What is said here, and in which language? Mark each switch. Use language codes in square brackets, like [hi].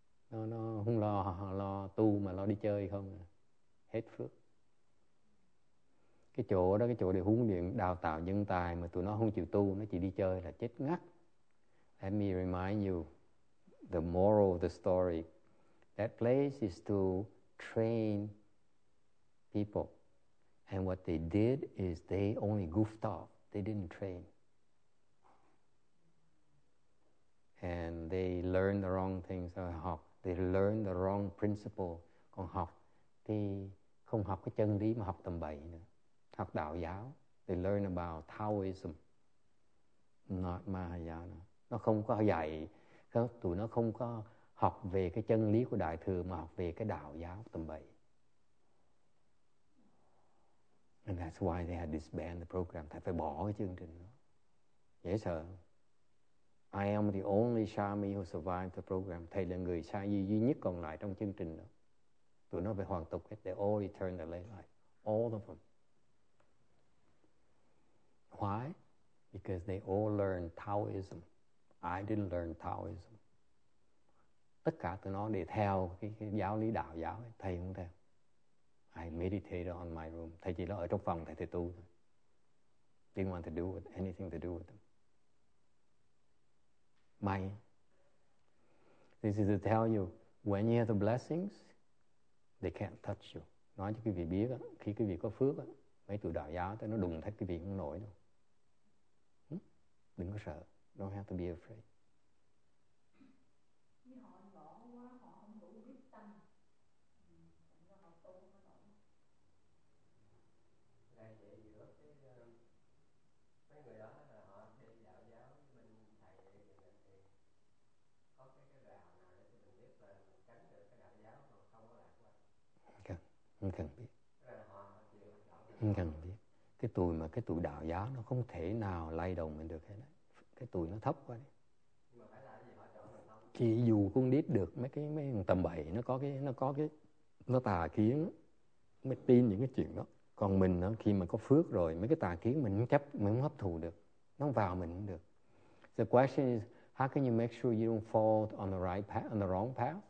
[vi] Nó không lo tu mà lo đi chơi không. Hết phước. Cái chỗ đó, cái chỗ để huấn luyện đào tạo nhân tài mà tụi nó không chịu tu, nó chỉ đi chơi là chết ngắt. [en] Let me remind you the moral of the story. That place is to train people. And what they did is they only goofed off. They didn't train. And they learned the wrong things. They learned the wrong principle. [vi] Còn học thì không học cái chân lý mà học tầm bậy nữa. Học đạo giáo. [en] They learned about Taoism. Not Mahayana. [vi] Nó không có dạy. Tụi nó không có học về cái chân lý của Đại Thừa mà học về cái đạo giáo tầm bậy. [en] And that's why they had disbanded the program. [vi] Thầy phải bỏ cái chương trình đó. Dễ sợ. [en] I am the only Shami who survived the program. [vi] Thầy là người Shami duy nhất còn lại trong chương trình đó. Tụi nó phải hoàn tục hết. [en] They all returned the lay life. All of them. Why? Because they all learned Taoism. I didn't learn Taoism. [vi] tất cả tụi nó để theo cái giáo lý đạo giáo ấy, thầy không theo. [en] I meditate on my room. [vi] Thầy chỉ nó ở trong phòng thầy tu thôi. [en] Didn't want to do with anything to do with them. My, this is to tell you, when you have the blessings, they can't touch you. [vi] Nói cho quý vị biết đó, khi quý vị có phước đó, mấy tụi đạo giáo tới nó đùng thách quý vị không nổi đâu. Đừng có sợ. [en] Don't have to be afraid. [vi] Không cần biết. Cái tụi mà cái tụi đạo giáo nó không thể nào lay động mình được hết đấy. Cái tụi nó thấp quá đấy. Chỉ dù con đít được mấy tầm bậy, nó có cái nó tà kiến mới tin những cái chuyện đó. Còn mình nó khi mà có phước rồi, mấy cái tà kiến mình không chấp, mình không hấp thụ được, nó vào mình cũng được. [en] The question is, how can you make sure you don't fall on the right path, on the wrong path?